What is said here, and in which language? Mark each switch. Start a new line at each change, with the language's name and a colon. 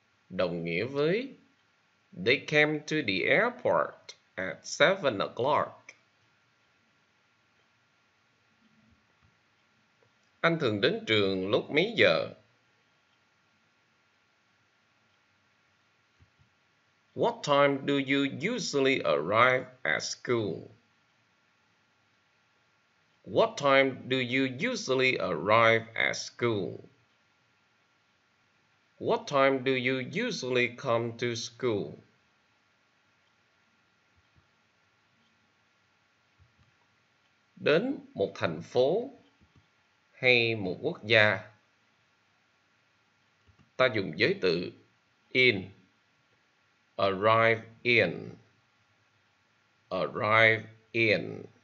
Vietnamese: Đồng nghĩa với
English: they came to the airport at 7 o'clock.
Vietnamese: Anh thường đến trường lúc mấy giờ?
English: What time do you usually arrive at school? What time do you usually arrive at school? What time do you usually come to school?
Vietnamese: Đến một thành phố hay một quốc gia, ta dùng giới từ in.
English: Arrive in. Arrive in.